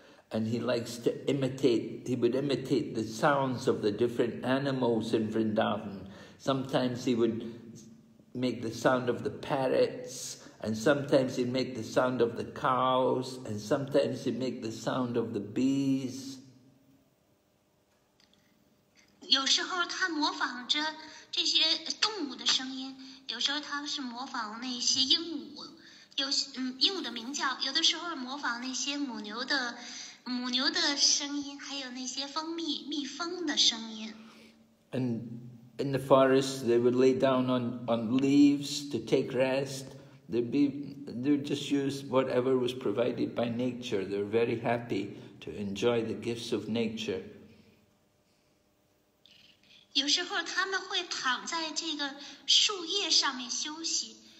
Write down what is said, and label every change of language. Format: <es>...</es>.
<en>And he likes to imitate, he would imitate the sounds of the different animals in Vrindavan. Sometimes he would make the sound of the parrots, and sometimes he'd make the sound of the cows, and sometimes he'd make the sound of the bees.</en> <zh>有时候他模仿着这些动物的声音，有时候他是模仿那些鹦鹉，鹦鹉的鸣叫，有的时候模仿那些母牛的声音，还有那些蜜蜂的声音。</zh> <en>And in the forest, they would lay down on leaves to take rest. They'd just use whatever was provided by nature. They're very happy to enjoy the gifts of nature.</en> <zh>有时候他们会躺在这个树叶上面休息，</zh>